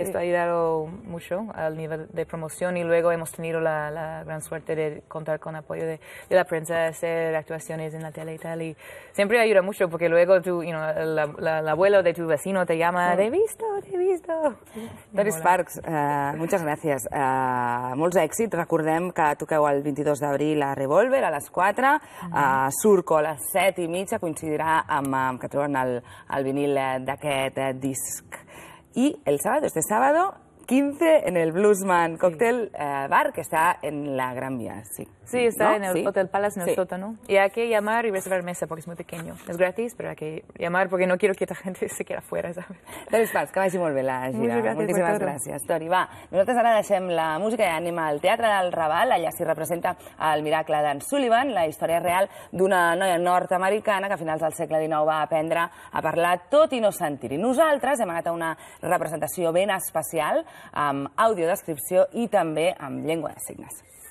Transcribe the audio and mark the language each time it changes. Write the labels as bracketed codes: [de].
[es] Esto ha ayudado mucho al nivel de promoción y luego hemos tenido la gran suerte de contar con apoyo de la prensa, de hacer actuaciones en la tele y tal. Y siempre ayuda mucho porque luego el abuelo de tu vecino te llama, sí, te he visto. Doris Parks, muchas gracias. [ca] Molts èxits. Recordem que toqueu el 22 d'abril a Revolver a les 4, a Surco a les 7:30, coincidirà amb que troben el vinil d'aquest disc. [es] I el sábado, este sábado, 15, en el Bluesman Cocktail, sí, Bar, que està en la Gran Via. Sí, sí, està, no? En el, sí, Hotel Palace, en el, sí, sótano. I hay que llamar y reservar mesa porque es muy pequeño. Es gratis, pero hay que llamar porque no quiero que la gente se quede fuera, ¿sabes? [ca] Doris Parks, que vagi molt bé la gira. Moltíssimes gràcies, Tori. Va, nosaltres ara deixem la música i anem al Teatre del Raval. Allà s'hi representa el miracle d'en Sullivan, la història real d'una noia nord-americana que a finals del segle XIX va aprendre a parlar tot i no sentir. I nosaltres hem anat a una representació ben especial amb audiodescripció i també amb llengua de signes.